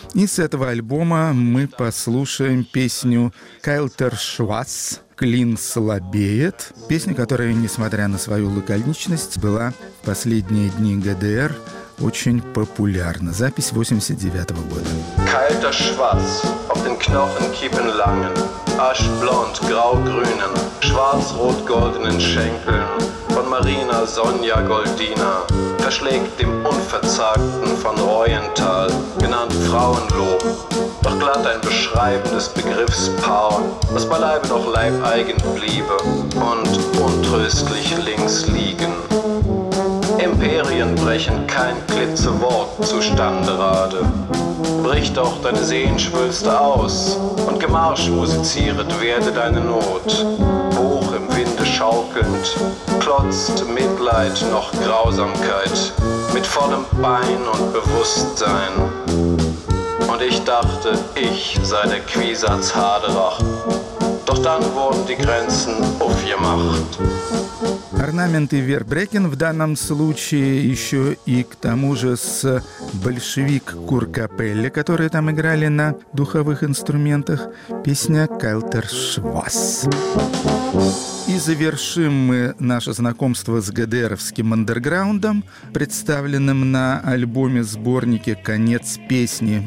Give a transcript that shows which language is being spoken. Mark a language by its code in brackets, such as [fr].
[ru] И с этого альбома мы послушаем песню «Кайлтер Швас», «Клин слабеет». Песня, которая, несмотря на свою лаконичность, была в последние дни ГДР очень популярна. Запись 89-го года. [de] «Кайлтер Швас, ob den Knochen kippen langen». Aschblond, grau-grünen, schwarz-rot-goldenen Schenkeln von Marina Sonja Goldina, verschlägt dem Unverzagten von Reuental, genannt Frauenlob, doch glatt ein beschreibendes Begriffspaar, was beileibe noch leibeigen bliebe und untröstlich links liegen. Imperien brechen kein Klitzewort zustande rade. Brich doch deine Sehenschwülste aus und Gemarsch musiziert werde deine Not. Hoch im Winde schaukelnd klotzt Mitleid noch Grausamkeit mit vollem Bein und Bewusstsein. Und ich dachte, ich sei der Quiesatz Haderach. Doch dann wurden die Grenzen aufgemacht. [ru] «Орнамент» и «Вербрехен» в данном случае еще и к тому же с «Большевик Куркапелле», которые там играли на духовых инструментах, песня «Кайлтер Швас». И завершим мы наше знакомство с ГДРовским андерграундом, представленным на альбоме-сборнике «Конец песни.